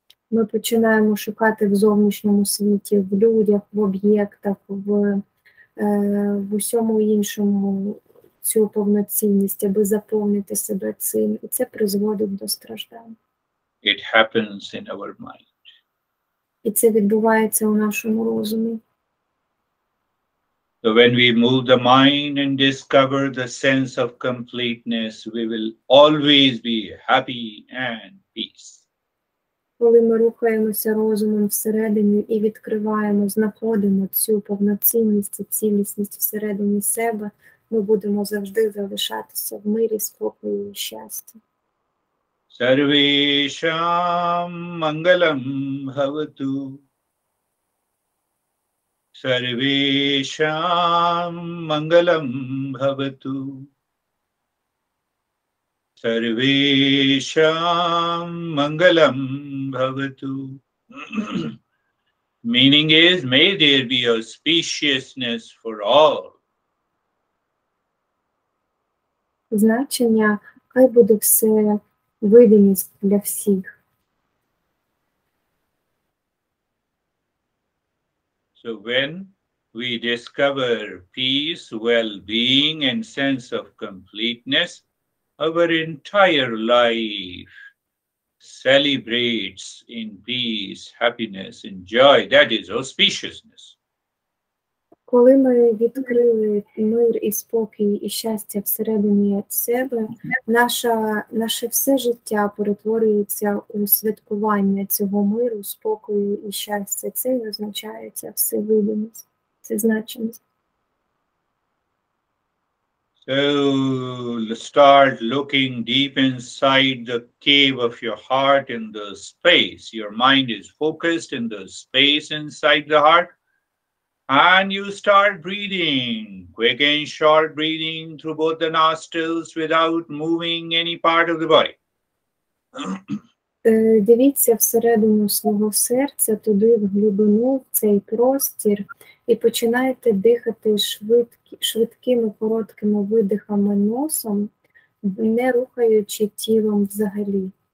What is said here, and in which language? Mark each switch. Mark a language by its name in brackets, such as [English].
[Ukrainian] Ми починаємо шукати в зовнішньому світі, в людях, в об'єктах, в усьому іншому цю повноцінність, аби заповнити себе цим. І це призводить до страждань. [English] It happens in our mind. [Ukrainian] І це відбувається у нашому розумі. [English] So when we move the mind and discover the sense of completeness, we will always be happy and peace. [Ukrainian] Коли ми рухаємося розумом всередині і відкриваємо, знаходимо цю повноцінність, цілісність всередині себе, ми будемо завжди залишатися в мирі, спокою і щасті. [Sanskrit] Сарвешам мангалам бхавату. Sarvesham mangalam bhavatu. Sarvesham mangalam bhavatu. [English] Meaning is, may there be auspiciousness for all. [Ukrainian] Значення, хай буде все видимість для всіх. [English] So when we discover peace, well-being, and sense of completeness, our entire life celebrates in peace, happiness, and joy. That is auspiciousness. [Ukrainian] Коли ми відкрили мир і спокій і щастя всередині себе, наше все життя перетворюється у святкування цього миру, спокою і щастя. Це і означає ця всевидимість, це значимість. [English] So start looking deep inside the cave of your heart in the space. Your mind is focused in the space inside the heart. And you start breathing, quick and short breathing through both the nostrils without moving any part of the body. [Ukrainian] Дивіться всередину свого серця, туди в глибину, в цей простір, і починайте дихати швидкими короткими видихами носом, не рухаючи тілом взагалі.